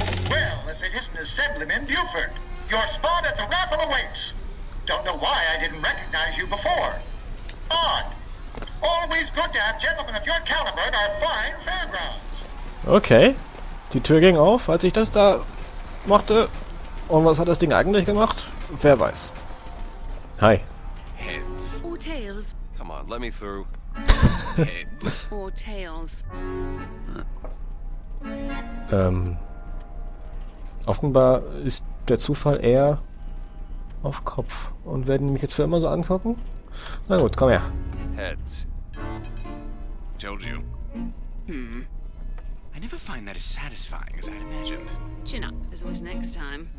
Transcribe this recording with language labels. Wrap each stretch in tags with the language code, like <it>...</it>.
<en>Well, if it isn't Assemblyman Buford, your spot at the Raffle awaits. Don't know why I didn't recognize you before. Odd. Always good to have gentlemen of your caliber at our fine fairgrounds. Okay.</en> <de>Die Tür ging auf, als ich das da machte. Und was hat das Ding eigentlich gemacht? Wer weiß.</de> <en>Hi. Heads or tails? Come on, let me through. Heads or tails?</en> <de>Offenbar ist der Zufall eher auf Kopf. Und werden die mich jetzt für immer so angucken? Na gut, komm her.</de> <en>Heads. Told you. I never find that as satisfying as I'd imagined. Chin up, there's always next time.</en>